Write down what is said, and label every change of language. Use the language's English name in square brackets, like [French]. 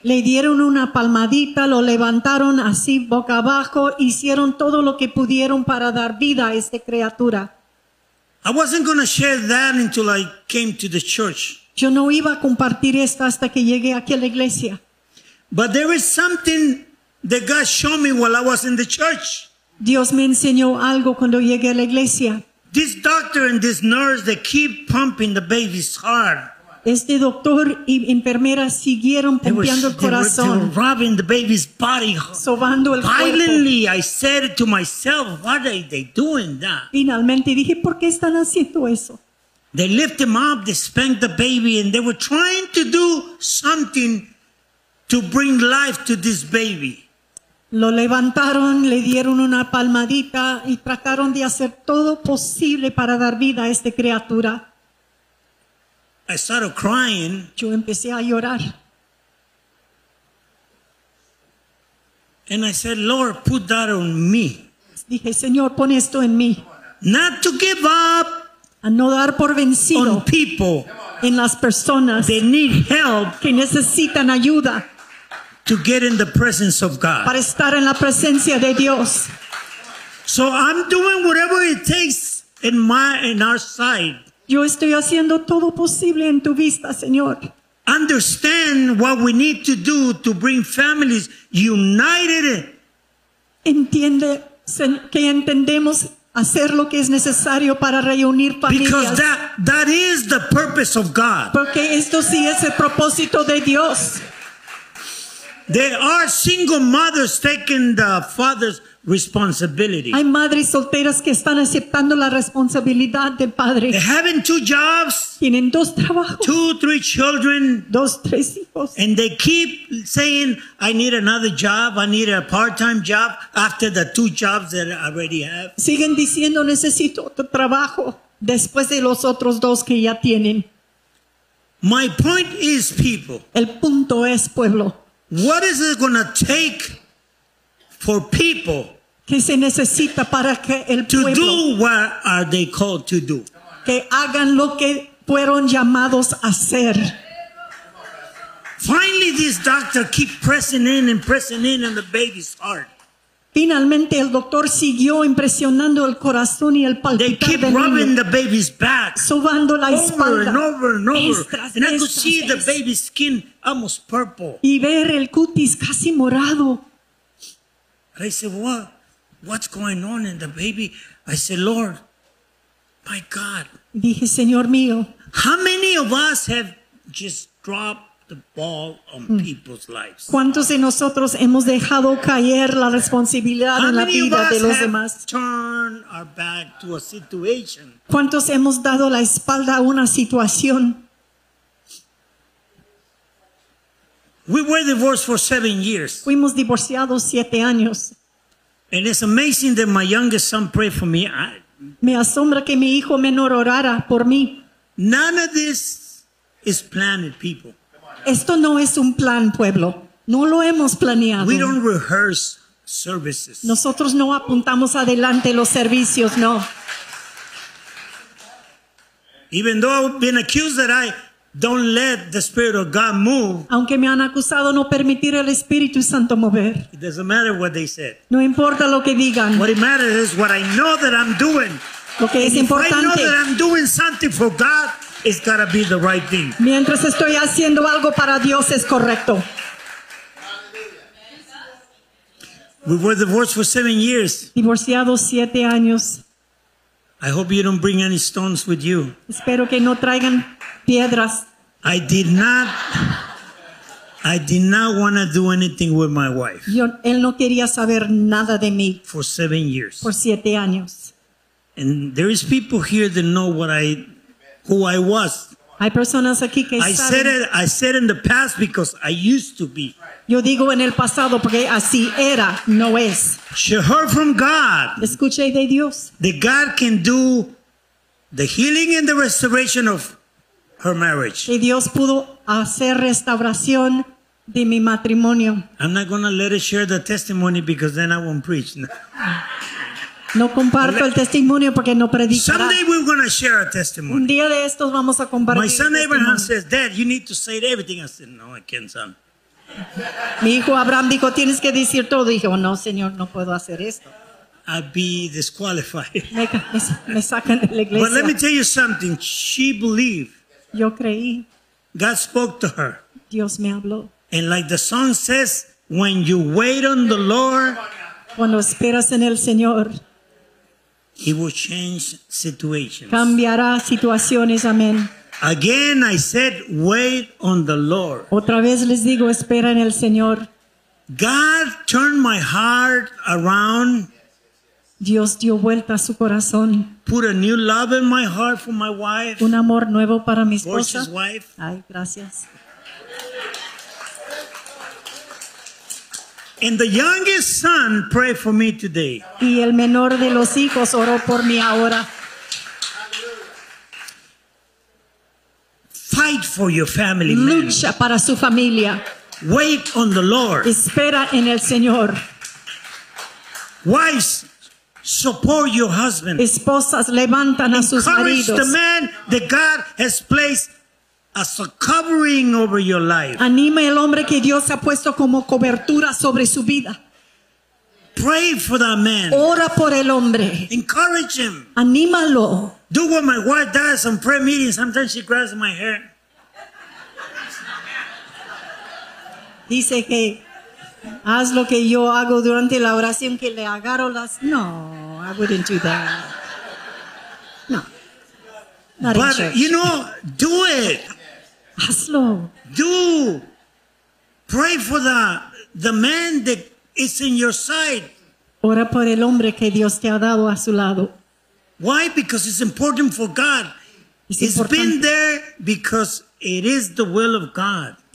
[Spanish] Le dieron una palmadita, lo levantaron así boca abajo, hicieron todo lo que pudieron para dar vida a esta criatura. [English] I wasn't going to share that until I came to the church. [Spanish] Yo no iba a compartir esto hasta que llegué aquí a la iglesia. [English] But there is something that God showed me while I was in the church. [Spanish] Dios me enseñó algo cuando llegué a la iglesia. [English] This doctor and this nurse, they keep pumping the baby's heart. [Spanish] Este doctor y enfermera siguieron pumpeando el corazón. [English] They were rubbing the baby's body. [Spanish] Sobando el cuerpo. [English] Finally, I said to myself, what are they doing that? [Spanish] Finalmente dije, ¿por qué están haciendo eso? [English] They lift him up, they spank the baby, and they were trying to do something to bring life to this baby. [Spanish] Lo levantaron, le dieron una palmadita y trataron de hacer todo posible para dar vida a esta criatura. [English] I started crying. [Spanish] Yo empecé a llorar. [English] And I said, Lord, put that on me. [Spanish] Dije, Señor, pon esto en mí. [English] Not to give up. [Spanish] A no dar por vencido. [English] On people. [Spanish] En las personas. [English] They need help. [Spanish] Que necesitan ayuda. [English] To get in the presence of God. [Spanish] Para estar en la presencia de Dios. [English] So I'm doing whatever it takes in our side. [Spanish] Yo estoy haciendo todo posible en tu vista, Señor. [English] Understand what we need to do to bring families united. [Spanish] Entiende que entendemos hacer lo que es necesario para reunir familias. [English] Because that is the purpose of God. [Spanish] Porque esto sí es el propósito de Dios. [English] There are single mothers taking the father's responsibility. [Spanish] Hay madres solteras que están aceptando la responsabilidad del padre. [English] They're having two jobs. [Spanish] Tienen dos trabajos. [English] Two, three children. [Spanish] Dos, tres hijos. [English] And they keep saying, I need another job. I need a part-time job after the two jobs that I already have. [Spanish] Siguen diciendo, necesito otro trabajo después de los otros dos que ya tienen. [English] My point is, people. [Spanish] El punto es, pueblo. [English] What is it going to take for people [Spanish] que se necesita para que el [English] to do what are they called to do? [Spanish] Que hagan lo que fueron llamados a hacer. [English] Finally, this doctor keep pressing in on the baby's heart. [Spanish] Finalmente, el doctor siguió impresionando el corazón y el palpitar del niño. [English] They keep rubbing the baby's back. [Spanish] Sobando la espalda. [English] Over and over and over. Estras, I could see the baby's skin almost purple. [Spanish] Y ver el cutis casi morado. [English] And I said, what's going on in the baby? I said, Lord, my God. [Spanish] Dije, Señor mío. [English] How many of us have just dropped the ball on people's lives? [Spanish] ¿Cuántos de nosotros hemos dejado caer la responsabilidad en la vida de los demás? [English] Turn our back to a situation. [Spanish] ¿Cuántos hemos dado la espalda a una situación? [English] We were divorced for 7 years. [Spanish] Fuimos divorciados 7 años. [English] And it's amazing that my youngest son prayed for me. [Spanish] Me asombra que mi hijo menor orara por mí. [English] None of this is planned, people. [Spanish] Esto no es un plan, pueblo. No lo hemos planeado. [English] We don't rehearse services. [Spanish] Nosotros no apuntamos adelante los servicios, no. [English] Even though I've been accused that I don't let the Spirit of God move. [Spanish] Aunque me han acusado no permitir el Espíritu Santo mover. [English] It doesn't matter what they said. [Spanish] No importa lo que digan. [English] What it matters is what I know that I'm doing. [Spanish] Lo que es importante. [English] If I know that I'm doing something for God, it's got to be the right thing. [Spanish] Mientras estoy haciendo algo para Dios, es correcto. [English] We were divorced for 7 years. [Spanish] Divorciados 7 años. [English] I hope you don't bring any stones with you. [Spanish] Espero que no traigan piedras. [English] I did not want to do anything with my wife. [Spanish] Él no quería saber nada de mí. [English] For 7 years. [Spanish] Por 7 años. [English] And there is people here that know who I was. [Spanish] Hay personas aquí que saben. [English] I said in the past because I used to be. [Spanish] Yo digo en el pasado porque así era, no es. [English] She heard from God. [Spanish] Escuché de Dios. [English] That God can do the healing and the restoration of her marriage. [Spanish] Que Dios pudo hacer restauración de mi matrimonio. [English] I'm not going to let her share the testimony because then I won't preach. [Spanish] No comparto el testimonio porque no predicará. [English] Someday we're going to share a testimony. [Spanish] Un día de estos vamos a compartir. [English] My son Abraham says, Dad, you need to say everything. I said, no, I can't, son. [Spanish] Mi hijo Abraham dijo, tienes que decir todo. Dije, oh, no, señor, no puedo hacer esto. [English] I'd be disqualified. [Spanish] Me sacan de la iglesia. [English] But let me tell you something. She believed. [Spanish] Yo creí. [English] God spoke to her. [Spanish] Dios me habló. [English] And like the song says, when you wait on the Lord, [Spanish] cuando esperas en el Señor, [English] He will change situations. [Spanish] Cambiará situaciones, amén. [English] Again, I said, wait on the Lord. [Spanish] Otra vez les digo, espera en el Señor. [English] God turned my heart around. [Spanish] Dios dio vuelta a su corazón. [English] Put a new love in my heart for my wife. [Spanish] Un amor nuevo para mi esposa. [English] Divorce his wife. [Spanish] Ay, gracias. [English] And the youngest son prayed for me today. [Spanish] Y el menor de los hijos oró por mí ahora. [English] Fight for your family, man. [Spanish] Lucha para su familia. [English] Wait on the Lord. [Spanish] Espera en el Señor. [English] Wives, support your husband. [Spanish] Esposas, levantan a sus maridos. [English] Encourage the man that God has placed as a covering over your life. [Spanish] Anime el hombre que Dios ha puesto como cobertura sobre su vida. [English] Pray for that man. [Spanish] Ora por el hombre. [English] Encourage him. [Spanish] Anímalo. [English] Do what my wife does on prayer meetings. Sometimes she grabs my hair. [Spanish] Dice que haz lo que yo hago durante la oración, que le agarro las... [English] No, I wouldn't do that. No. Not but, you know, do it. [Spanish] Hazlo. [English] Do. Pray for the man that is in your side. [Spanish] Ora por el hombre que Dios te ha dado a su lado. [English] Why? Because it's important for God. It's been there because it is the will of God.